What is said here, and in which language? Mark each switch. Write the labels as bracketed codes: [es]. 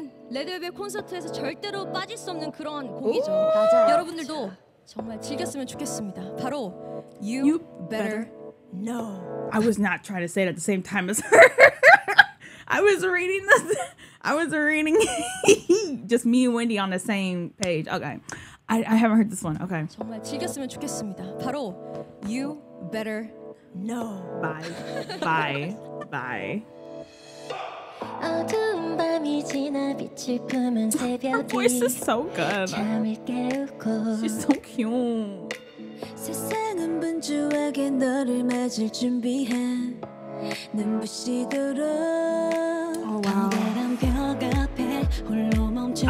[ko] 레드벨벳 콘서트에서 절대로 빠질 수 없는 그런 곡이죠. 맞아. 여러분들도 정말 즐겼으면 좋겠습니다. [en] 바로 you better know. I was not trying to say it at the same time as her. I was reading just me and Wendy on the same page. Okay. I haven't heard this one. Okay. [ko] 정말 즐겼으면 좋겠습니다. [en] 바로 you better know. Bye. Bye. Bye. [ko] 어두운 밤이 지나 빛을 품은 새벽이 [en] Her voice is so good. [ko] 잠을 깨우고 [en] She's so cute. [ko] 세상은 분주하게 너를 맞을 준비한 눈부시도록 [en] Oh wow. [ko] 커다란 벽 앞에 홀로 멈춰